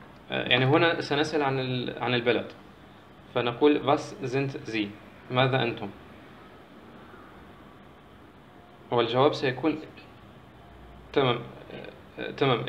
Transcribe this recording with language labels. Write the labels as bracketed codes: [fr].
[ar] يعني هنا سنسأل عن عن البلد. [de] فنقول Was sind Sie? [ar] ماذا أنتم؟ والجواب سيكون تمام تمام.